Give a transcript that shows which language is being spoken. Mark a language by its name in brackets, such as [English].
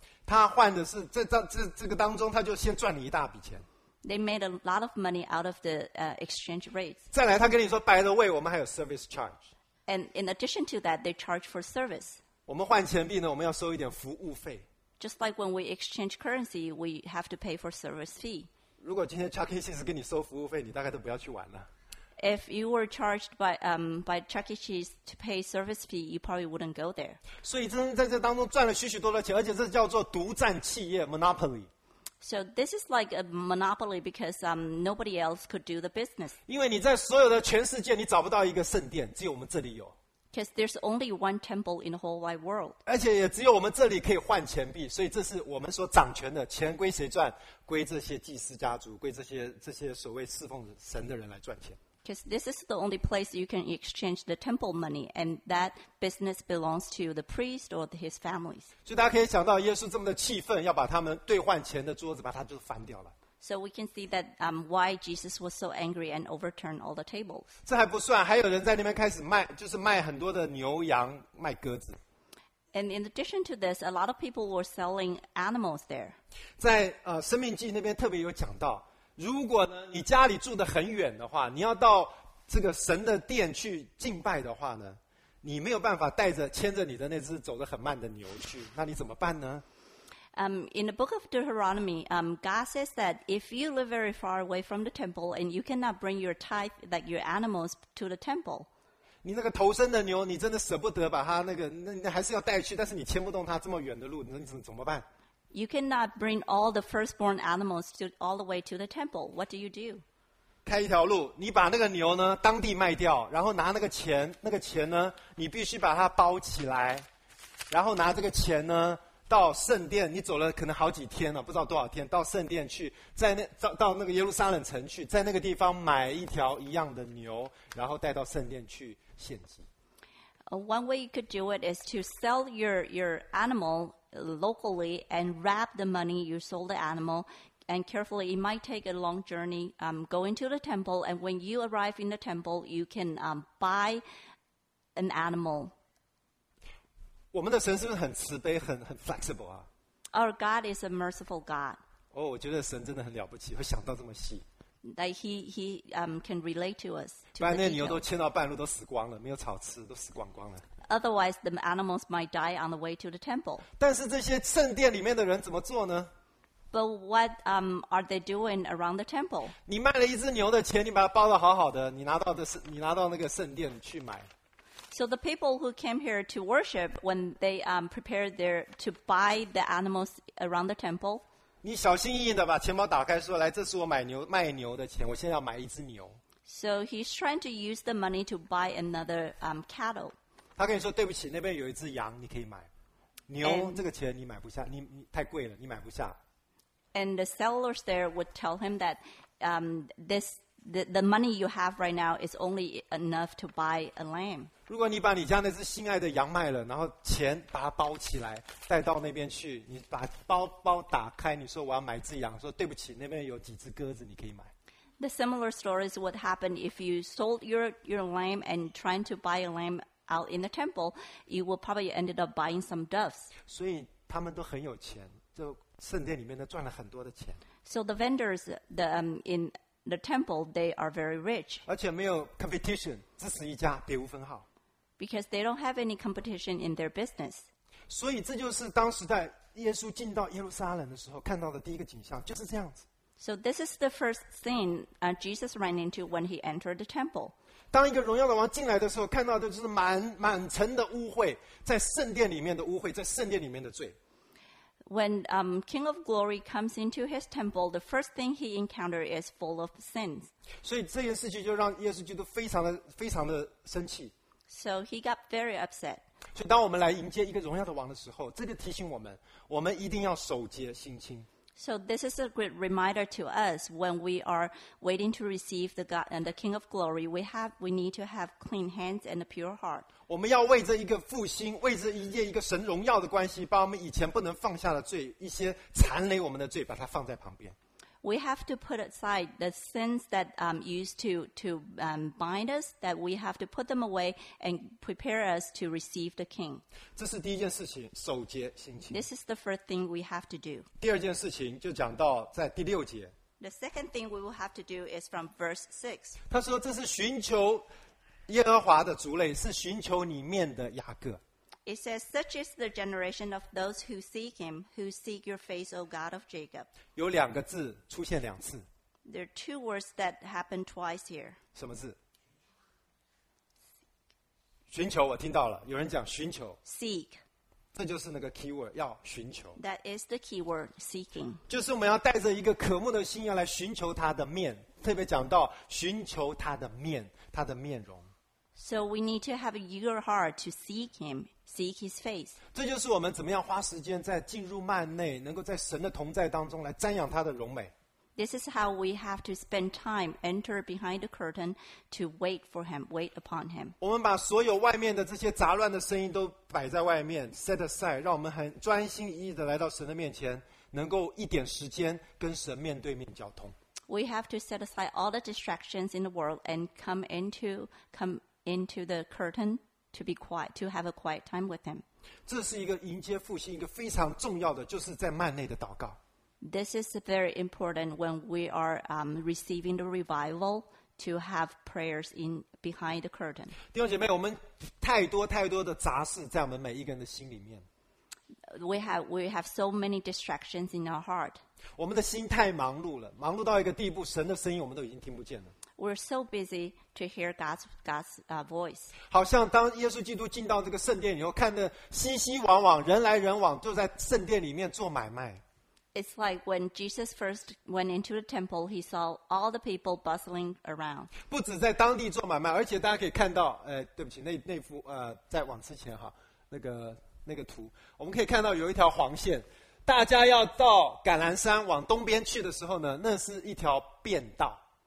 [Chinese] 他换的是这个当中，他就先赚你一大笔钱。 [English] They made a lot of money out of the exchange rates. [Chinese] 再来，他跟你说 ， [English] by the way， [Chinese] 我们还有 [English] service charge. And in addition to that, they charge for service. [Chinese] 我们换钱币呢，我们要收一点服务费。 [English] Just like when we exchange currency, we have to pay for service fee. [Chinese] 如果今天 Chuck E. Cheese 跟你收服务费，你大概都不要去玩了。 [English] If you were charged by Chuck E. Cheese to pay service fee, you probably wouldn't go there. [Chinese] 所以真的在这当中赚了许许多多钱，而且这叫做独占企业 monopoly。 [English] So this is like a monopoly because nobody else could do the business. [Chinese] 因为你在所有的全世界，你找不到一个圣殿，只有我们这里有。 [English] Because there's only one temple in the whole wide world. [Chinese] 而且也只有我们这里可以换钱币，所以这是我们所掌权的钱归谁赚？归这些祭司家族，归这些所谓侍奉神的人来赚钱。 [English] Because this is the only place you can exchange the temple money, and that business belongs to the priest or his families. [Chinese] 所以大家可以想到，耶稣这么的气愤，要把他们兑换钱的桌子把它就翻掉了。 [English] So we can see that why Jesus was so angry and overturned all the tables. [Chinese] 这还不算，还有人在那边开始卖，就是卖很多的牛羊，卖鸽子。 [English] And in addition to this, a lot of people were selling animals there. [Chinese] 在生命记那边特别有讲到。如果呢，你家里住得很远的话，你要到这个神的殿去敬拜的话呢，你没有办法带着牵着你的那只走得很慢的牛去，那你怎么办呢？ [English] In the book of Deuteronomy, God says that if you live very far away from the temple and you cannot bring your tithe, like your animals, to the temple, [Chinese] 你那个头生的牛，你真的舍不得把它那个，那你还是要带去，但是你牵不动它这么远的路，你怎么办？ [English] You cannot bring all the firstborn animals all the way to the temple. What do you do? [Chinese] 开一条路，你把那个牛呢当地卖掉，然后拿那个钱，那个钱呢，你必须把它包起来，然后拿这个钱呢，到圣殿，你走了可能好几天了，不知道多少天，到圣殿去，在那 到那个耶路撒冷城去，在那个地方买一条一样的牛，然后带到圣殿去献祭。 [English] One way you could do it is to sell your animal locally and wrap the money you sold the animal and carefully. It might take a long journey. Go into the temple, and when you arrive in the temple, you can buy an animal. [Chinese] 我们的神是不是很慈悲，很 flexible 啊 [English] ？Our God is a merciful God. [Chinese] 哦，我觉得神真的很了不起，会想到这么细。 [English] That he can relate to us. [Chinese] 不然那牛都牵到半路都死光了，没有草吃，都死光光了。 [English] Otherwise, the animals might die on the way to the temple. [Chinese] 但是这些圣殿里面的人怎么做呢 [English] ？But what are they doing around the temple? [Chinese] 你卖了一只牛的钱，你把它包得好好的，你拿到那个圣殿去买。 [English] So the people who came here to worship, when they prepared their to buy the animals around the temple, [Chinese] 你小心翼翼的把钱包打开，说：“来，这是我买牛卖牛的钱，我现在要买一只牛。” [English] So he's trying to use the money to buy another cattle. [Chinese] 他跟你说：“对不起，那边有一只羊，你可以买。牛这个钱你买不下，你太贵了，你买不下。” [English] And the sellers there would tell him that the money you have right now is only enough to buy a lamb. [Chinese] 如果你把你家那只心爱的羊卖了，然后钱把它包起来带到那边去，你把包打开，你说我要买只羊，说对不起，那边有几只鸽子，你可以买。 [English] The similar story is what happened if you sold your lamb and trying to buy a lamb out in the temple, you will probably ended up buying some doves. [Chinese] 所以他们都很有钱，就圣殿里面都赚了很多的钱。 [English] So the vendors in the temple they are very rich. [Chinese] 而且没有 competition, 只是一家，别无分号。 [English] Because they don't have any competition in their business. [Chinese] 所以这就是当时在耶稣进到耶路撒冷的时候看到的第一个景象，就是这样子。 [English] So this is the first thing Jesus ran into when he entered the temple. [Chinese] 当一个荣耀的王进来的时候，看到的就是满城的污秽，在圣殿里面的污秽，在圣殿里面的罪。 [English] When King of Glory comes into his temple, the first thing he encounters is full of sins. [Chinese] 所以这件事情就让耶稣基督非常的非常的生气。 [English] So he got very upset. [Chinese] 所以当我们来迎接一个荣耀的王的时候，这就提醒我们，我们一定要守节行清。 [English] So this is a great reminder to us when we are waiting to receive the God and the King of Glory. We need to have clean hands and a pure heart. [Chinese] 我们要为这一个复兴，为这一件一个神荣耀的关系，把我们以前不能放下的罪，一些残累我们的罪，把它放在旁边。 [English] We have to put aside the sins that used to bind us, that we have to put them away and prepare us to receive the King. [Chinese] 这是第一件事情，守节行清。 [English] This is the first thing we have to do. [Chinese] 第二件事情就讲到在第六节。 [English] The second thing we will have to do is from verse 6. [Chinese] 他说这是寻求耶和华的族类，是寻求你面的雅各。 [English] It says, such is the generation of those who seek him, who seek your face, O God of Jacob. [Chinese] 有两个字出现两次。 [English] There are two words that happen twice here. [Chinese] 什么字？寻求，我听到了，有人讲寻求。 [English] Seek. [Chinese] 这就是那个 keyword, 要寻求。 [English] That is the keyword, seeking. [Chinese] 就是我们要带着一个渴慕的心要来寻求他的面，特别讲到寻求他的面，他的面容。 [English] So we need to have a eager heart to seek him, seek his face. [Chinese] 这就是我们怎么样花时间在进入幔内，能够在神的同在当中来瞻仰他的荣美。 [English] This is how we have to spend time, enter behind the curtain to wait for him, wait upon him. [Chinese] 我们把所有外面的这些杂乱的声音都摆在外面 ， [English] set aside， [Chinese] 让我们很专心一意的来到神的面前，能够一点时间跟神面对面交通。 [English] We have to set aside all the distractions in the world and come into the curtain to be quiet, to have a quiet time with him. [Chinese] 这是一个迎接复兴一个非常重要的，就是在幔内的祷告。 [English] This is very important when we are receiving the revival to have prayers in behind the curtain. [Chinese] 弟兄姐妹，我们太多太多的杂事在我们每一个人的心里面。 [English] We have so many distractions in our heart. [Chinese] 我们的心太忙碌了，忙碌到一个地步，神的声音我们都已经听不见了。 [English] We're so busy to hear God's voice. [Chinese] 好像当耶稣基督进到这个圣殿以后，看着熙熙攘攘，人来人往，就在圣殿里面做买卖。 [English] It's like when Jesus first went into the temple, he saw all the people bustling around. [Chinese] 不止在当地做买卖，而且大家可以看到，对不起，那幅在往之前哈，那个那个图，我们可以看到有一条黄线，大家要到橄榄山往东边去的时候呢，那是一条便道。